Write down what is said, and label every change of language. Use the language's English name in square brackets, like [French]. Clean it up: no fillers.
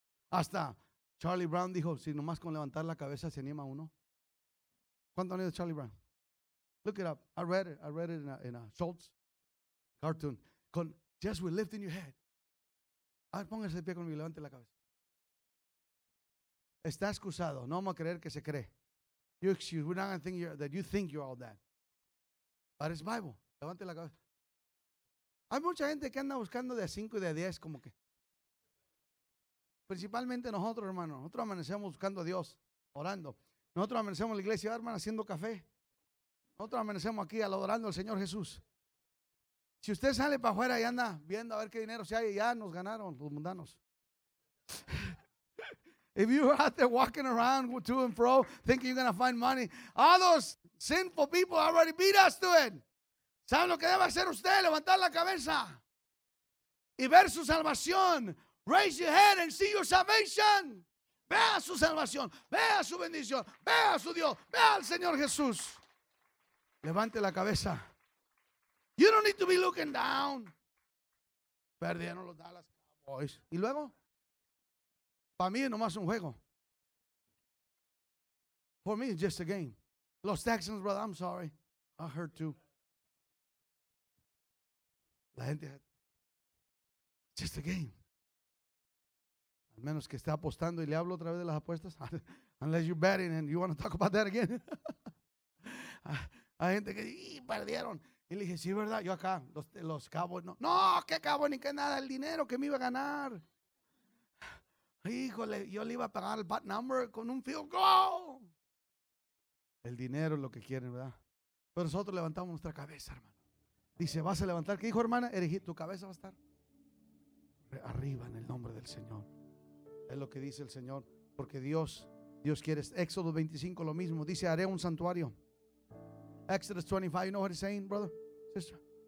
[Spanish] Hasta Charlie Brown dijo, si nomás con levantar la cabeza se anima uno. ¿Cuánto han ido Charlie Brown? [English] Look it up. I read it in a Schultz cartoon. Con just with lifting your head. [Spanish] A ver, póngase de pie conmigo, levante la cabeza. Está excusado. No vamos a creer que se cree. [English] You excuse. We're not going to think that you think you're all that. But it's Bible. [Spanish] Levante la cabeza. Hay mucha gente que anda buscando de 5 y de 10 como que. Principalmente nosotros, hermano. Nosotros amanecemos buscando a Dios, orando. Nosotros amanecemos en la iglesia, hermano, haciendo café. Nosotros amanecemos aquí adorando al Señor Jesús. Si usted sale para afuera y anda viendo a ver qué dinero se hay, ya nos ganaron los mundanos. [English] If you're out there walking around to and fro, thinking you're going to find money, all those sinful people already beat us to it. [Spanish] ¿Saben lo que debe hacer usted? Levantar la cabeza y ver su salvación. [English] Raise your head and see your salvation. [Spanish] Vea su salvación. Vea su bendición. Vea su Dios. Vea al Señor Jesús. Levante la cabeza. [English] You don't need to be looking down. [Spanish] Perdieron los Dallas Cowboys. ¿Y luego? Para mí es nomás un juego. [English] For me it's just a game. Los Texans, brother, I'm sorry. I hurt too. [Spanish] La gente, [English] just a game. [Spanish] Menos que esté apostando y le hablo otra vez de las apuestas. [English] Unless you're betting and you want to talk about that again. [Spanish] Hay gente que dice, perdieron. Y le dije, sí, ¿verdad? Yo acá, los cabos. No, qué cabo ni qué nada. El dinero que me iba a ganar. Híjole, yo le iba a pagar el bat number con un field goal. El dinero es lo que quieren, ¿verdad? Pero nosotros levantamos nuestra cabeza, hermano. Dice, vas a levantar. ¿Qué dijo, hermana? Erigir, tu cabeza va a estar arriba en el nombre del Señor. Es lo que dice el Señor, porque Dios quiere. Éxodo 25, lo mismo, dice, haré un santuario. [English] Exodus 25, you know what he's saying, brother, sister?